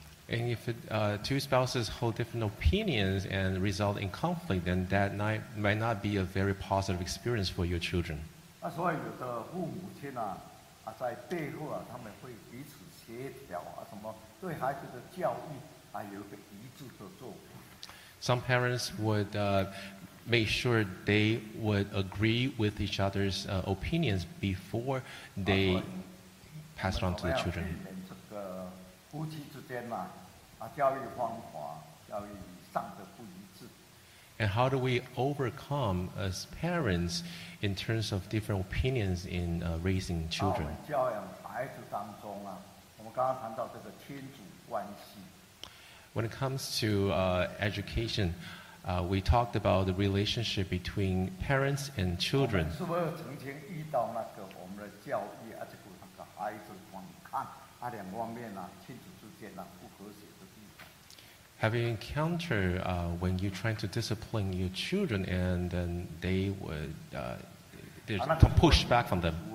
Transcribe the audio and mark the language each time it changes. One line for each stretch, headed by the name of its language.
English: And if two spouses hold different opinions and result in conflict, then that might not be a very positive experience for your children.
Chinese: 啊，所以有的父母亲啊，啊，在背后啊，他们会彼此协调啊，什么对孩子的教育啊，有一个一致的做法。
English: Some parents would make sure they would agree with each other's opinions before they pass on to the children.
Chinese: 夫妻之间嘛，啊，教育方法、教育上的不一致。
English: And how do we overcome as parents in terms of different opinions in raising children？
Chinese: 啊，教养孩子当中啊，我们刚刚谈到这个亲子关系。
English: When it comes to education, we talked about the relationship between parents and children.
Chinese: 是不是曾经遇到那个我们的教育啊，这个那个孩子反抗？啊，两方面啊，亲子之间啊，不和谐的地方。
English: Have you encountered when you're trying to discipline your children and then they would there's a push back from them?